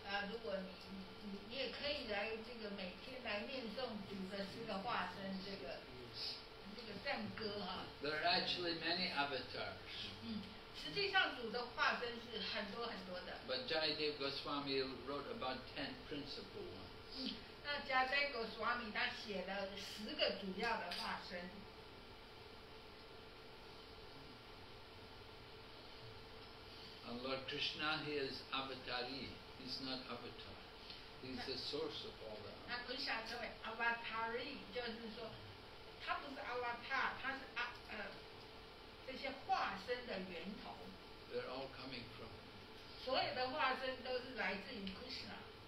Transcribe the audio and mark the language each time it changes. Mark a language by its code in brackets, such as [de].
[zh] 如果你也可以来这个每天来念诵主的十个化身这个赞歌哈。 [en] There are actually many avatars. [zh] 实际上主的化身是很多很多的。 [en] But Jayadeva Goswami wrote about 10 principal ones. [zh] 那Jayadeva Goswami他写了十个主要的化身。 [en] And Lord Krishna, he is avatari. He's not avatar. He's the source of all that. [zh] 那昆沙称为 avatari， 就是说，他不是 avatar， 他是这些化身的源头。 [en] They're all coming from. [zh] 所有的化身都是来自于 Krishna。